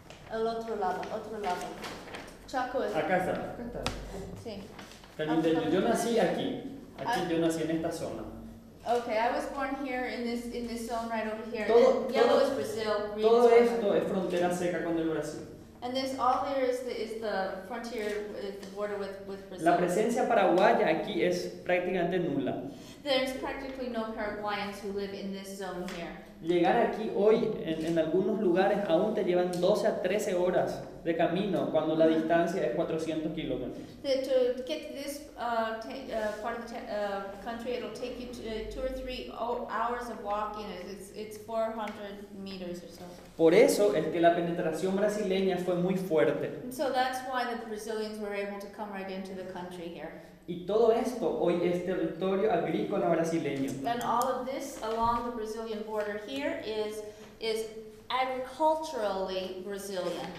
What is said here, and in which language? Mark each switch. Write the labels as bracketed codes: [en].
[es] al otro lado. Chaco es. Acá está. Sí. Yo nací aquí. Yo nací en esta zona. [en] Okay, I was born here in this zone right over here. [es] Todo [en] is Brazil. [es] Todo esto es frontera seca con el Brasil. [en] And this all there is the frontier, the border with Brazil. [es] La presencia paraguaya aquí es prácticamente nula. [en] There's practically no Paraguayans who live in this zone here. [es] Llegar aquí hoy en algunos lugares aún te llevan 12 a 13 horas de camino cuando la distancia es 400 kilómetros. [en] To get to this part of the country, it'll take you 2 or 3 hours of walking. It's 400 meters or so. [es] Por eso es que la penetración brasileña fue muy fuerte. [en] And so that's why the Brazilians were able to come right into the country here. [es] Y todo esto hoy es territorio agrícola brasileño. [en] And all of this along the Brazilian border here is agriculturally Brazilian.